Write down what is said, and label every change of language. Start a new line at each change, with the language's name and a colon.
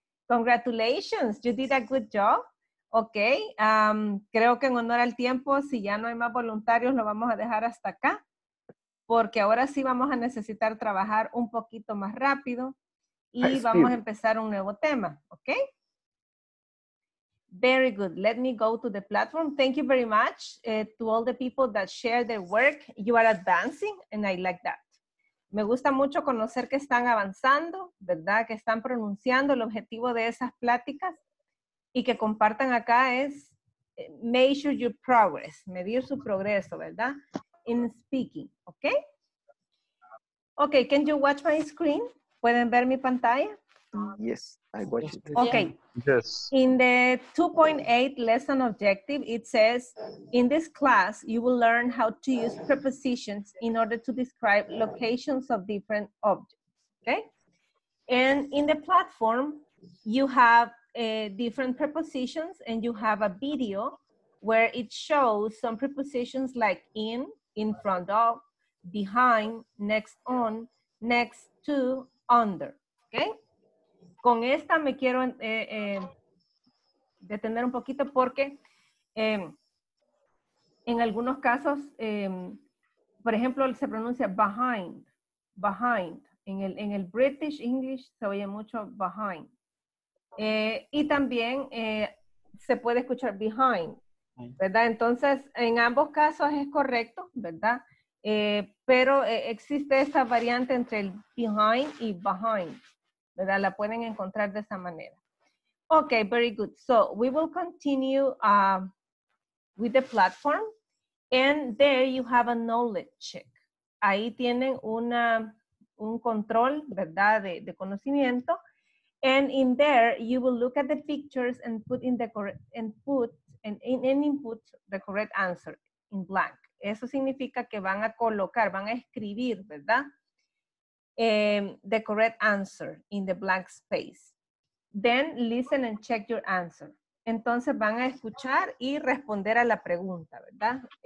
English: Congratulations. You did a good job.
Spanish: Ok, creo que en honor al tiempo, si ya no hay más voluntarios, lo vamos a dejar hasta acá, porque ahora sí vamos a necesitar trabajar un poquito más rápido y vamos a empezar un nuevo tema, ok?
English: Very good, let me go to the platform. Thank you very much to all the people that share their work. You are advancing and I like that.
Spanish: Me gusta mucho conocer que están avanzando, ¿verdad? Que están pronunciando el objetivo de esas pláticas. Y que compartan acá es
English: measure your progress,
Spanish: medir su progreso, ¿verdad?
English: In speaking, ¿ok? Ok, can you watch my screen?
Spanish: ¿Pueden ver mi pantalla?
English: Yes, I watch it. Ok. Yes. In the 2.8 lesson objective, it says, in this class, you will learn how to use prepositions in order to describe locations of different objects, ¿ok? And in the platform, you have different prepositions, and you have a video where it shows some prepositions like in front of, behind, next on, next to, under. Okay?
Spanish: Con esta me quiero detener un poquito porque en algunos casos, por ejemplo, se pronuncia behind. En el British English se oye mucho behind. Y también se puede escuchar behind, ¿verdad? Entonces, en ambos casos es correcto, ¿verdad? Pero existe esa variante entre el behind y behind, ¿verdad? La pueden encontrar de esa manera. Ok,
English: very good. So, we will continue with the platform. And there you have a knowledge check.
Spanish: Ahí tienen un control, ¿verdad? De conocimiento.
English: And in there, you will look at the pictures and put in the input the correct answer in blank.
Spanish: Eso significa que van a colocar, van a escribir, ¿verdad?
English: The correct answer in the blank space. Then listen and check your answer.
Spanish: Entonces van a escuchar y responder a la pregunta, ¿verdad?